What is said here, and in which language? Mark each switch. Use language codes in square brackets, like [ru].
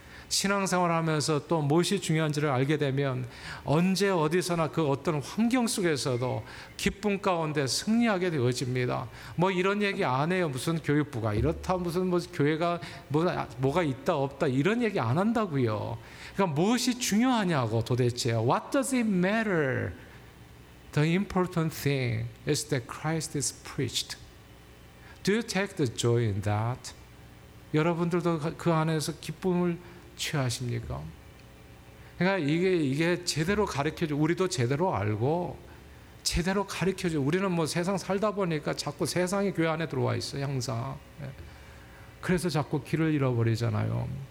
[ko] 신앙생활하면서 또 무엇이 중요한지를 알게 되면 언제 어디서나 그 어떤 환경 속에서도 기쁨 가운데 승리하게 되어집니다. 뭐 이런 얘기 안 해요. 무슨 교육부가 이렇다, 무슨 뭐 교회가 뭐가 있다 없다 이런 얘기 안 한다고요. 그러니까 무엇이 중요하냐고 도대체. [en] What does it matter? The important thing is that Christ is preached. Do you take the joy in that? [ko] 여러분들도 그 안에서 기쁨을 취하십니까? 그러니까 이게 제대로 가르쳐줘. 우리도 제대로 알고 제대로 가르쳐줘. 우리는 뭐 세상 살다 보니까 자꾸 세상이 교회 안에 들어와 있어요. 항상. 그래서 자꾸 길을 잃어버리잖아요.